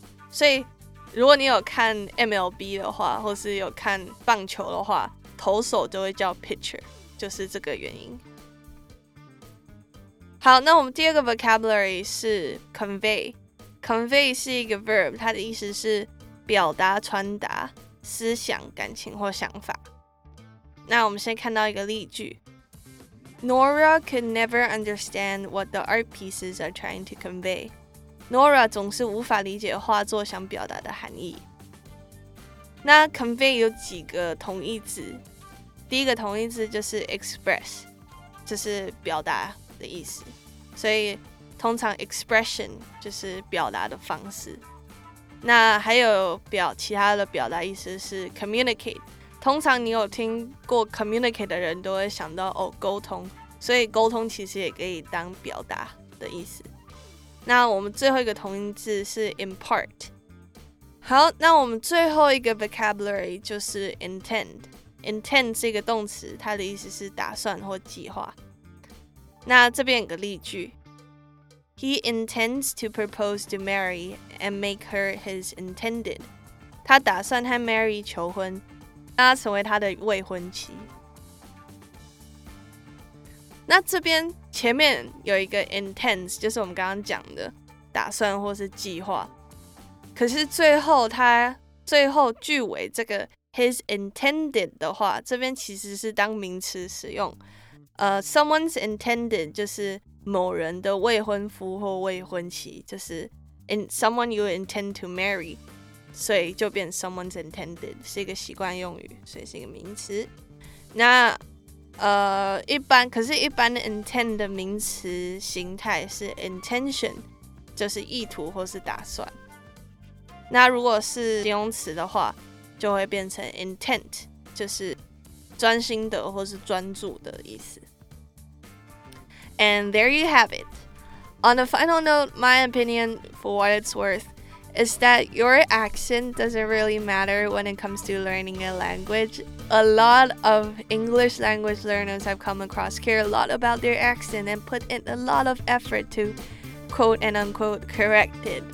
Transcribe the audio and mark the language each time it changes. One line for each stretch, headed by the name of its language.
Chinese: 所以如果你有看 MLB 的话，或是有看棒球的话，投手就会叫 pitcher， 就是这个原因。好，那我们第二个 vocabulary 是 convey。convey 是一个 verb， 它的意思是表达、传达思想、感情或想法。那我们先看到一个例句，
English: Nora could never understand what the art pieces are trying to convey.
Chinese: Nora 总是无法理解画作想表达的含义。那 convey 有几个同义词，第一个同义词就是 express， 就是表达的意思，所以通常 expression 就是表达的方式。那还有其他的表达意思是 communicate， 通常你有听过 communicate 的人都会想到哦沟通，所以沟通其实也可以当表达的意思。那我们最后一个同音字是 impart。好，那我们最后一个 vocabulary 就是 intend。 intend 是一个动词，它的意思是打算或计划。那这边有个例句，
English: He intends to propose to Mary and make her his intended.
Chinese: 他打算和 Mary 求婚，让她成为他的未婚妻。那这边前面有一个 intends， 就是我们刚刚讲的打算或是计划。可是最后句尾这个 his intended 的话，这边其实是当名词使用。 Someone's intended 就是某人的未婚夫或未婚妻，就是
English: someone you intend to marry，
Chinese: 所以就变 someone's intended， 是一个习惯用语，所以是一个名词。那一般的 intend 的名词形态是 intention， 就是意图或是打算。那如果是形容词的话，就会变成 intent， 就是专心的或是专注的意思。
English: And there you have it. On a final note, my opinion, for what it's worth, is that your accent doesn't really matter when it comes to learning a language. A lot of English language learners I've come across care a lot about their accent and put in a lot of effort to quote and unquote correct it.